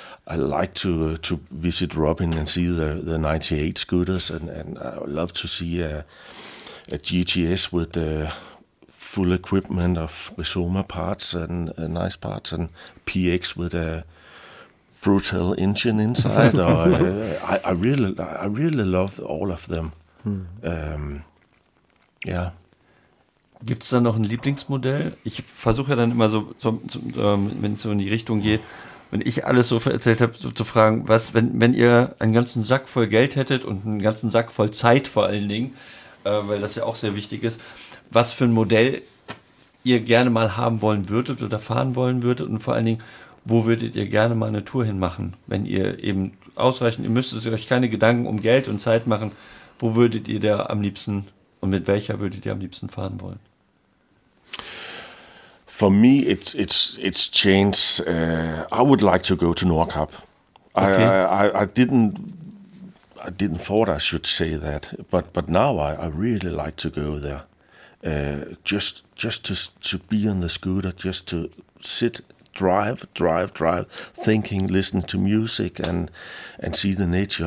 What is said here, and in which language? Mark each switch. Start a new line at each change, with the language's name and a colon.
English: I like to visit Robin and see the 98 scooters, and I would love to see a GTS with the full equipment of Resoma parts and nice parts, and PX with a brutal engine inside. Or, I really love all of them. Yeah.
German: Gibt es da noch ein Lieblingsmodell? Ich versuche ja dann immer so, wenn es so in die Richtung geht, wenn ich alles so erzählt habe, so zu fragen, was, wenn ihr einen ganzen Sack voll Geld hättet und einen ganzen Sack voll Zeit vor allen Dingen, weil das ja auch sehr wichtig ist, was für ein Modell ihr gerne mal haben wollen würdet oder fahren wollen würdet und vor allen Dingen, wo würdet ihr gerne mal eine Tour hinmachen, wenn ihr eben ausreichend, ihr müsstet euch keine Gedanken um Geld und Zeit machen, wo würdet ihr da am liebsten und mit welcher würdet ihr am liebsten fahren wollen?
English: For me, it's changed. I would like to go to Nordkap. Okay. I didn't thought I should say that, but now I really like to go there. Just to be on the scooter, just to sit, drive, thinking, listen to music, and see the nature.